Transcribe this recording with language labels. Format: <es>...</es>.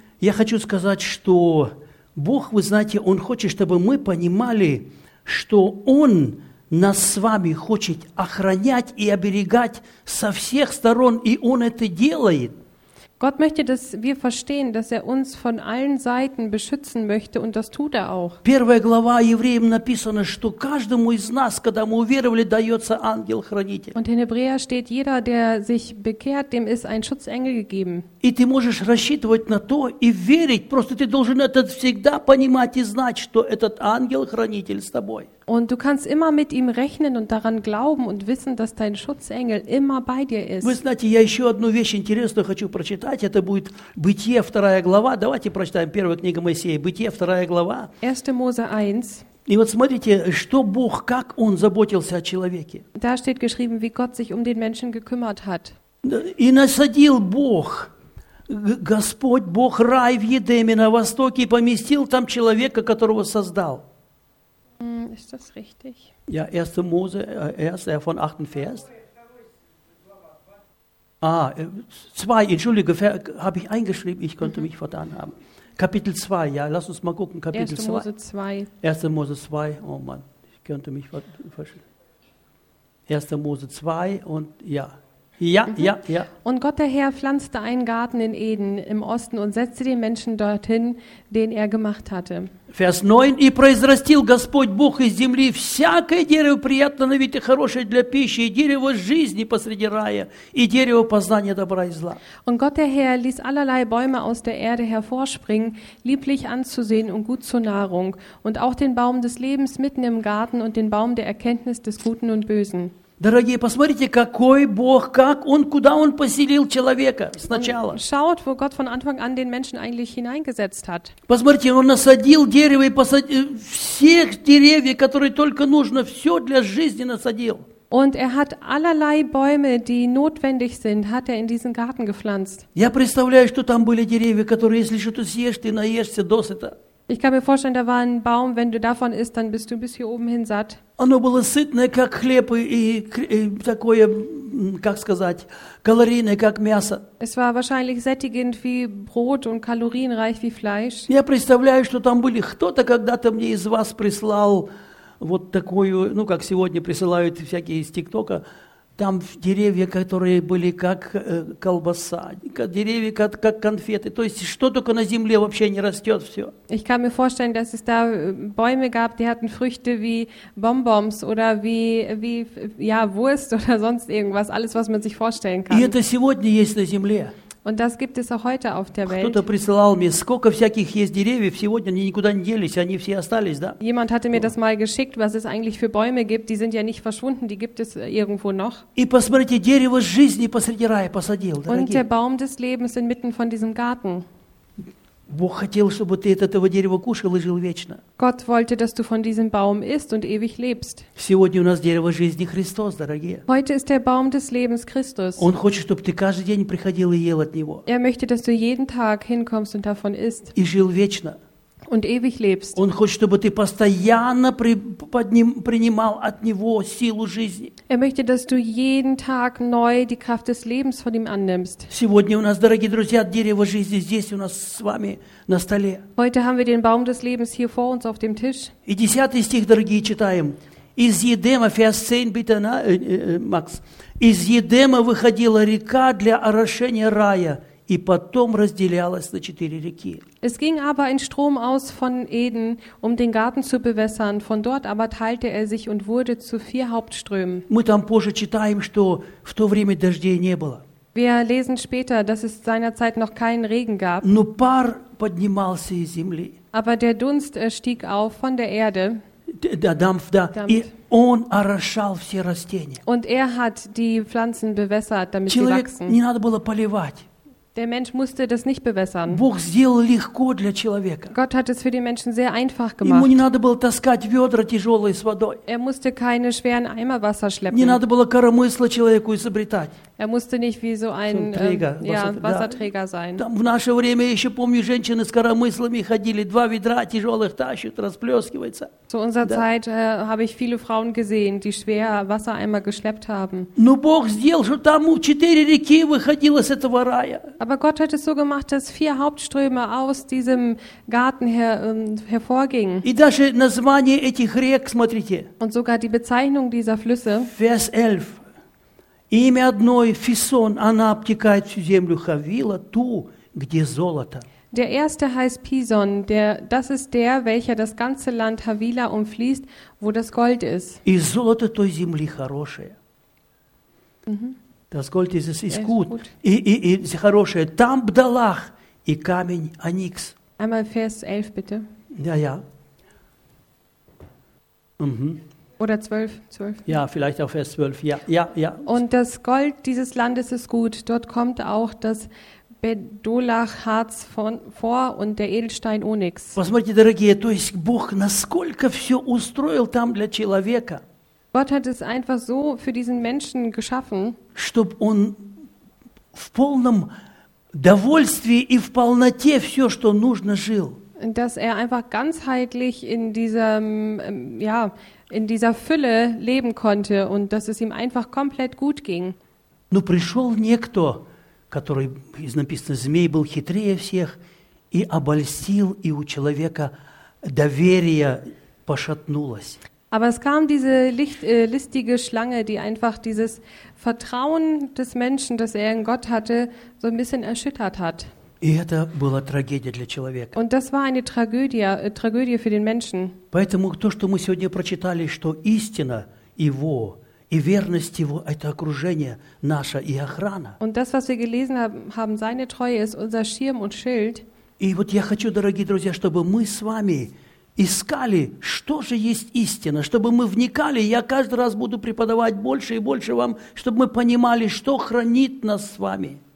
<ru>Я хочу сказать, что Бог, вы знаете, Он хочет, чтобы мы понимали, что Он нас с вами хочет охранять и оберегать со всех сторон, и Он это делает.</ru> <de>Gott möchte, dass wir verstehen, dass er uns von allen Seiten beschützen möchte, und das tut er auch.</de> <ru>Первая глава Евреям написано, что каждому из нас, когда мы уверовали, дается ангел-хранитель.</ru> <de>Und in Hebräer steht, jeder, der sich bekehrt, dem ist ein Schutzengel gegeben.</de> <ru>И ты можешь рассчитывать на то и верить, просто ты должен это всегда понимать и знать, что этот ангел-хранитель с тобой.</ru> <de>Und du kannst immer mit ihm rechnen und daran glauben und wissen, dass dein Schutzengel immer bei dir ist.</de> <ru>Вы знаете, я еще одну вещь интересную хочу прочитать. Это будет Бытие, вторая глава. Давайте прочитаем первую книгу Моисея. Бытие, вторая глава.</ru> <de>1. Mose 1.</de> <ru>И вот смотрите, что Бог, как Он заботился о человеке.</ru> <de>Da steht geschrieben, wie Gott sich um den Menschen gekümmert hat.</de> <ru>И насадил Бог, Господь Бог, рай в Едеме на востоке и поместил там человека, которого создал.</ru> <de>Ist das richtig? Ja, 1. Mose, 1. von 8. Vers. Ah, 2, entschuldige, habe ich eingeschrieben, ich könnte mich vertan haben. Kapitel 2, ja, lass uns mal gucken, Kapitel 2. 1. Mose 2. 1. Mose 2, oh Mann, ich könnte mich verstehen. 1. Mose 2 und ja. Ja, ja, ja. Und Gott der Herr pflanzte einen Garten in Eden im Osten und setzte den Menschen dorthin, den er gemacht hatte. Vers 9.</de> <ru>И произрастил Господь Бог из земли всякое дерево приятное на вид и хорошее для пищи, и дерево жизни посреди рая, и дерево познания добра и зла.</ru> <de>Und Gott der Herr ließ allerlei Bäume aus der Erde hervorspringen, lieblich anzusehen und gut zur Nahrung, und auch den Baum des Lebens mitten im Garten und den Baum der Erkenntnis des Guten und Bösen.</de> <ru>Дорогие, посмотрите, какой Бог, как Он, куда Он поселил человека сначала.</ru> <de>Schaut, wo Gott von Anfang an den Menschen eigentlich hineingesetzt hat.</de> <ru>Посмотрите, Он насадил дерево и посадил всех деревьев, которые только нужно, все для жизни насадил.</ru> <de>Und er hat allerlei Bäume, die notwendig sind, hat er in diesen Garten gepflanzt.</de> <ru>Я представляю, что там были деревья, которые, если что-то съешь, ты наешься досыта.</ru> <de>Ich kann mir vorstellen, da war ein Baum, wenn du davon isst, dann bist du bis hier oben hin satt.</de> <ru>Оно было сытное, как хлеб, и такое, как сказать, калорийное, как мясо.</ru> <de>Es war wahrscheinlich sättigend wie Brot und kalorienreich wie Fleisch.</de> <ru>Я представляю, что там были кто-то когда-то мне из вас прислал вот такую, ну, как сегодня присылают всякие из ТикТока, там деревья, которые были как колбаса, деревья как конфеты. То есть что только на земле вообще не растет, все.</ru> <de>Ich kann mir vorstellen, dass es da Bäume gab, die hatten Früchte wie Bonbons oder wie ja, Wurst oder sonst irgendwas, alles, was man sich vorstellen kann.</de> <ru>И это сегодня есть на земле.</ru> <de>Und das gibt es auch heute auf der Welt.</de> <ru>Кто-то присылал мне, сколько всяких есть деревьев, сегодня они никуда не делись, они все остались, да?</ru> <de>Jemand hatte mir das mal geschickt, was es eigentlich für Bäume gibt, die sind ja nicht verschwunden, die gibt es irgendwo noch.</de> <ru>И посмотрите, дерево жизни посреди рая посадил, дорогие.</ru> <de>Und der Baum des Lebens inmitten von diesem Garten.</de> <ru>Бог хотел, чтобы ты от этого дерева кушал и жил вечно.</ru> <de>Gott wollte, dass du von diesem Baum isst und ewig lebst.</de> <ru>Сегодня у нас дерево жизни Христос, дорогие.</ru> <de>Heute ist der Baum des Lebens Christus.</de> <ru>Он хочет, чтобы ты каждый день приходил и ел от него.</ru> <de>Er möchte, dass du jeden Tag hinkommst und davon isst.</de> <ru>И жил вечно.</ru> <de>Und ewig lebst.</de> <ru>Он хочет, чтобы ты постоянно принимал от него силу жизни.</ru> <de>Er möchte, dass du jeden Tag neu die Kraft des Lebens von ihm annimmst.</de> <ru>Сегодня у нас, дорогие друзья, дерево жизни здесь у нас с вами на столе.</ru> <de>Heute haben wir den Baum des Lebens hier vor uns auf dem Tisch.</de> <ru>И 10 стих, дорогие, читаем. Из Едема,</ru> <de>Vers 10, bitte,</de> <ru>Макс. Из Едема выходила река для орошения рая. И потом разделялась на четыре реки.</ru> <de>Es ging aber ein Strom aus von Eden, um den Garten zu bewässern. Von dort aber teilte er sich und wurde zu vier Hauptströmen.</de> <ru>Мы там позже читаем, что в то время дождей не было.</ru> <de>Wir lesen später, dass es seinerzeit noch keinen Regen gab.</de> <ru>Но пар поднимался из земли.</ru> <de>Aber der Dunst stieg auf von der Erde. Der Dampf da.</de> <ru>Он орошал все растения.</ru> <de>Und er hat die Pflanzen bewässert, damit sie wachsen.</de> <ru>Не надо было поливать.</ru> <de>Der Mensch musste das nicht bewässern.</de> <ru>Бог сделал легко для человека.</ru> <de>Gott hat es für die Menschen sehr einfach gemacht.</de> <ru>Ему не надо было таскать ведра тяжелые с водой.</ru> <de>Er musste keine schweren Eimer Wasser schleppen.</de> <ru>Не надо было коромысло человеку изобретать.</ru> <de>Er musste nicht wie so ein Träger, Wasserträger</de> <ru>да.</ru> <de>Sein.</de> <ru>Там в наше время, я еще помню, женщины с коромыслами ходили, два ведра тяжелых тащат, расплескивается.</ru> <de>Zu unserer Zeit habe ich viele Frauen gesehen, die schwer Wassereimer geschleppt haben.</de> <ru>Но Бог сделал, что там четыре реки выходило с этого рая.</ru> <de>Aber Gott hat es so gemacht, dass vier Hauptströme aus diesem Garten hervorgingen.</de> <ru>И даже название этих рек, смотрите.</ru> <de>Und sogar die Bezeichnung dieser Flüsse. Vers 11.</de> <ru>Имя одной Фисон, она обтекает всю землю Хавила, ту, где золото.</ru> <de>Der erste heißt Pison, das ist der, welcher das ganze Land Havila umfließt, wo das Gold ist.</de> <ru>И золото той земли хорошее.</ru> <de>Das Gold ist es ist gut.</de> <ru>И хорошее там Бдалах и камень Оникс.</ru> <de>Einmal Vers 11 bitte. Ja, ja. Oder 12. Ja, vielleicht auch Vers 12. Ja, ja, ja. Und das Gold dieses Landes ist gut. Dort kommt auch das Бдалах-Харц vor und der Edelstein Onyx.</de> <ru>Посмотрите, дорогие, то есть Бог насколько все устроил там для человека.</ru> <de>Gott hat es einfach so für diesen Menschen geschaffen,</de> <ru>чтоб он в полном довольствии и в полноте все, что нужно, жил.</ru> <de>Dass er einfach ganzheitlich in diesem, ja, in dieser Fülle leben konnte und dass es ihm einfach komplett gut ging.</de> <ru>Но пришел некто, который, из написано, змей был хитрее всех и обольстил, и у человека доверие пошатнулось.</ru> <de>Aber es kam diese listige Schlange, die einfach dieses Vertrauen des Menschen, das er in Gott hatte, so ein bisschen erschüttert hat.</de> <ru>И это была трагедия для человека.</ru> <de>Und das war eine Tragödie für den Menschen.</de> <ru>Поэтому то, что мы сегодня прочитали, что истина его и верность его – это окружение наше и охрана.</ru> <de>Und das, was wir gelesen haben, seine Treue ist unser Schirm und Schild.</de> <ru>И вот я хочу, дорогие друзья, чтобы мы с вами искали, что же есть истина, чтобы мы вникали. Я каждый раз буду преподавать больше и больше вам, чтобы мы понимали, что хранит нас с вами.</ru>